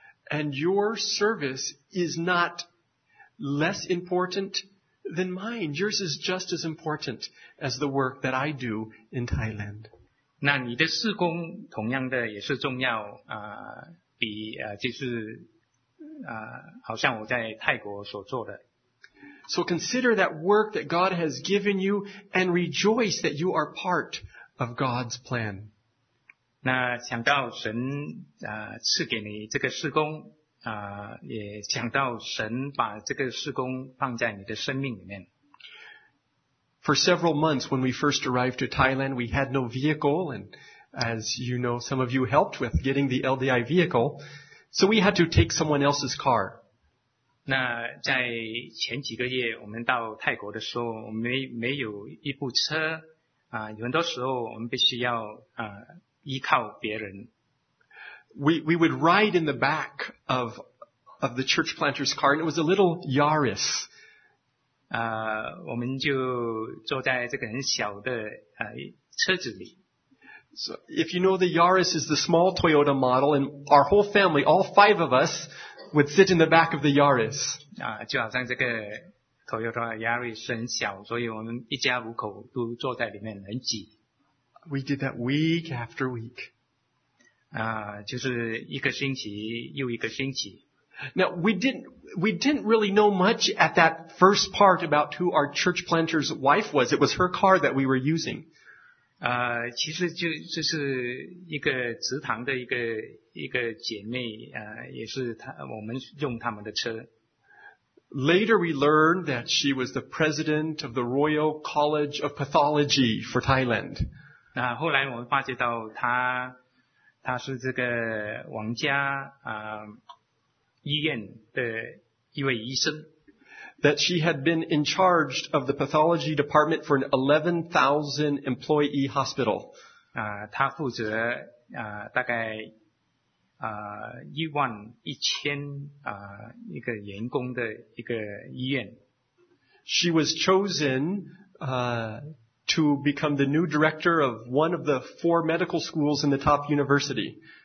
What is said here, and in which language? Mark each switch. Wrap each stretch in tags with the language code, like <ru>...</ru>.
<en>And your service is not less important than mine. Yours is just as important as the work that I do in Thailand.</en> <zh>那你的事工同样的也是重要比就是好像我在泰国所做的。</zh> <en>So consider that work that God has given you and rejoice that you are part of God's plan.</en> <zh>那想到神赐给你这个事工也讲到神把这个事工放在你的生命里面。</zh> <en>For several months when we first arrived to Thailand, we had no vehicle, and as you know, some of you helped with getting the LDI vehicle, so we had to take someone else's car.</en> <zh>那在前几个月我们到泰国的时候，我们没有一部车有很多时候我们必须要依靠别人。</zh> <en>We would ride in the back of the church planter's car, and it was a little Yaris.</en> <zh>我们就坐在这个很小的车子里。</zh> <en>So if you know, the Yaris is the small Toyota model, and our whole family, all five of us, would sit in the back of the Yaris.</en> <zh>就好像这个 Toyota Yaris 是很小，所以我们一家五口都坐在里面很挤。</zh> <en>We did that week after week.</en> <zh>就是一个星期又一个星期。</zh> <en>Now, we didn't really know much at that first part about who our church planter's wife was. It was her car that we were using.</en> <zh>其实就是一个祠堂的一个姐妹，也是她，我们用他们的车。</zh> <en>Later we learned that she was the president of the Royal College of Pathology for Thailand.</en> <zh>那后来我们发觉到她是这个王家医院的一位医生。</zh> <en>That she had been in charge of the pathology department for an 11,000 employee hospital.</en> <zh>她负责大概11,000一个员工的一个医院。</zh> <en>She was chosen to become the new director of one of the four medical schools in the top university.</en>